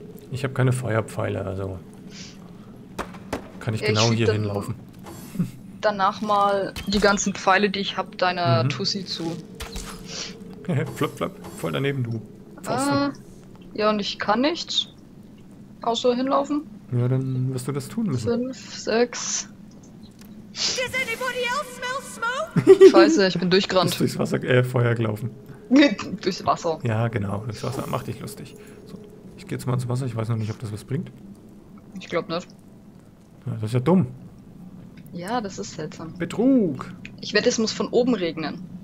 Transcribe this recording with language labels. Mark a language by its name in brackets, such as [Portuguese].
[German] Ich habe keine Feuerpfeile, also. Kann ich genau hier hinlaufen. Danach mal die ganzen Pfeile, die ich habe, deiner Tussi zu. Flop, flop. Voll daneben, du. Ja, und ich kann nicht. Außer hinlaufen. Ja, dann wirst du das tun müssen. 5, 6. [English] Does anybody else smell smoke? [German] Scheiße, ich bin durchgerannt. Durchs Wasser, Feuer gelaufen. Durchs Wasser. Ja, genau. Durchs Wasser. Mach dich lustig. So, ich geh jetzt mal ins Wasser. Ich weiß noch nicht, ob das was bringt. Ich glaube nicht. Das ist ja dumm. Ja, das ist seltsam. Betrug! Ich wette, es muss von oben regnen.